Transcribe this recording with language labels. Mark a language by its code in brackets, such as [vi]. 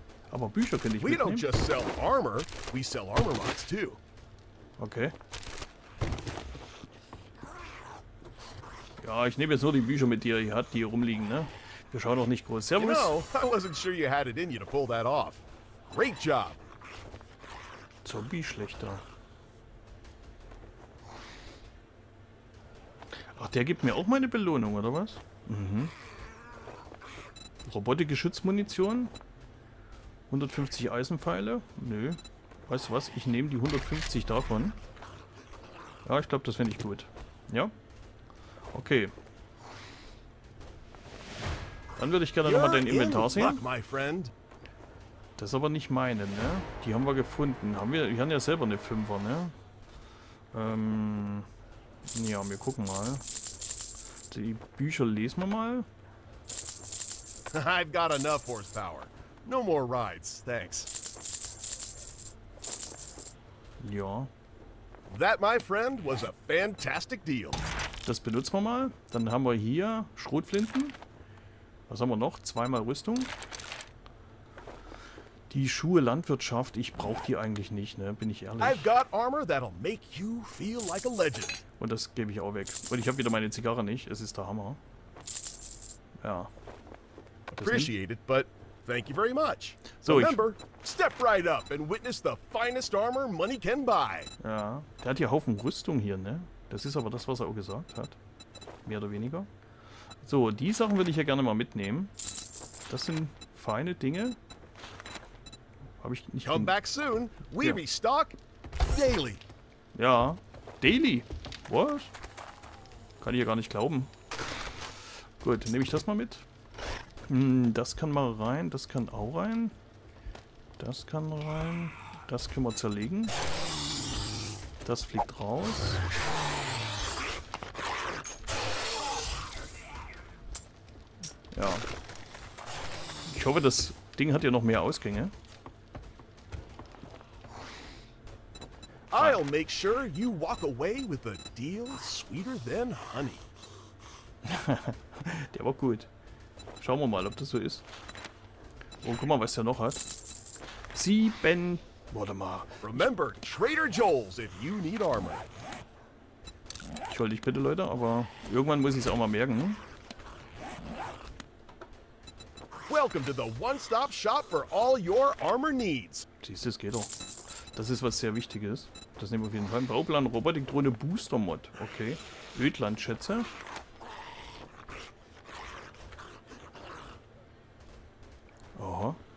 [de] Aber Bücher könnte ich mitnehmen. Wir nicht nur verkaufen Armor, wir verkaufen Armor-Mods auch. Okay. Ja, ich nehme jetzt nur die Bücher mit, die ihr habt, die hier rumliegen, ne? Wir schauen auch nicht groß. Servus. [en] You know, I wasn't sure you had it in you to pull that off. Great job. Zombie-Schlechter. [de] Ach, der gibt mir auch meine Belohnung, oder was? Mhm. Robotik-Geschützmunition. 150 Eisenpfeile. Nö. Weißt du was? Ich nehme die 150 davon. Ja, ich glaube, das finde ich gut. Ja? Okay. Dann würde ich gerne nochmal dein Inventar sehen. Das ist aber nicht meine, ne? Die haben wir gefunden. Wir haben ja selber eine 5er, ne? Ja, wir gucken mal. Die Bücher lesen wir mal. [en] I've got enough horsepower. No more rides, thanks. Ja. That, my friend, was a fantastic deal. [de] Das benutzen wir mal. Dann haben wir hier Schrotflinten. Was haben wir noch? Zweimal Rüstung. Die Schuhe Landwirtschaft, ich brauche die eigentlich nicht, ne? Bin ich ehrlich. [en] I've got armor that'll make you feel like a legend. [de] Und das gebe ich auch weg. Und ich habe wieder meine Zigarre nicht. Es ist der Hammer. Ja. [en] Appreciate it, but thank you very much. So, remember, step right up and witness the finest armor money can buy. [de] Ja, der hat ja Haufen Rüstung hier, ne? Das ist aber das, was er auch gesagt hat. Mehr oder weniger. So, die Sachen würde ich ja gerne mal mitnehmen. Das sind feine Dinge. Habe ich nicht. [en] Come back soon. We restock daily. [de] Ja, daily. Was? Kann ich ja gar nicht glauben. Gut, nehme ich das mal mit. Das kann mal rein, das kann auch rein. Das kann rein. Das können wir zerlegen. Das fliegt raus. Ja. Ich hoffe, das Ding hat ja noch mehr Ausgänge. [en] I'll make sure you walk away with a deal sweeter than honey. [de] Der war gut. Schauen wir mal, ob das so ist. Oh, guck mal, was der noch hat. 7. Warte mal. [en] Remember, Trader Joel's if you need armor. [de] Entschuldige dich bitte, Leute, aber irgendwann muss ich es auch mal merken. [en] Welcome to the one-stop shop for all your armor needs. [de] Siehst du, das geht doch. Das ist was sehr Wichtiges. Das nehmen wir auf jeden Fall. Bauplan, Robotikdrohne, Booster-Mod. Okay. Ödland, Schätze. Aha.